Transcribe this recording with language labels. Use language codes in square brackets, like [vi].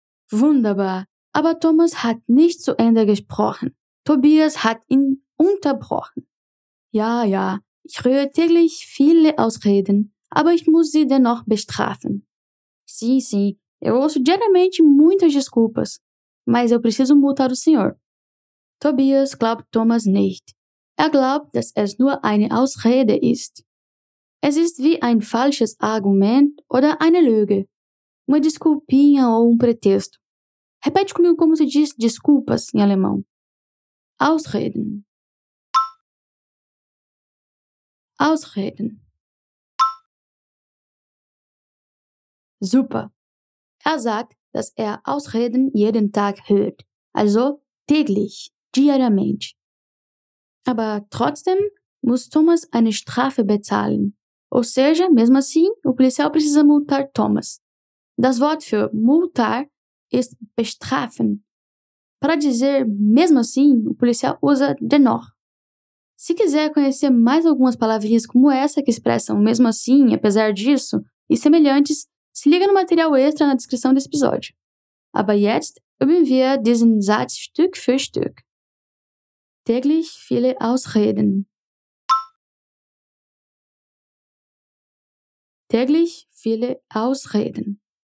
[de] Wunderbar. Aber Thomas hat nicht zu Ende gesprochen. Tobias hat ihn unterbrochen. Ja, ja. Ich höre täglich viele Ausreden, aber ich muss sie dennoch bestrafen. [pt] Sim, sim. Eu ouço diariamente muitas desculpas, mas eu preciso multar o senhor. [de] Tobias glaubt Thomas nicht. Er glaubt, dass es nur eine Ausrede ist. Es ist wie ein falsches Argument oder eine Lüge. [pt] Uma desculpinha ou pretexto. Repete comigo como se diz desculpas em alemão. [de] Ausreden. Ausreden. Super. Er sagt, dass er Ausreden jeden Tag hört. Also täglich, diariamente. Aber trotzdem muss Thomas eine Strafe bezahlen. [pt] Ou seja, mesmo assim, o policial precisa multar Thomas. [de] Das Wort für multar ist bestrafen. [pt] Para dizer mesmo assim, o policial usa dennoch. Se quiser conhecer mais algumas palavrinhas como essa que expressam mesmo assim, apesar disso, e semelhantes, se liga no material extra na descrição desse episódio. [de] Aber jetzt üben wir diesen Satz Stück für Stück. Täglich viele Ausreden. Täglich viele Ausreden.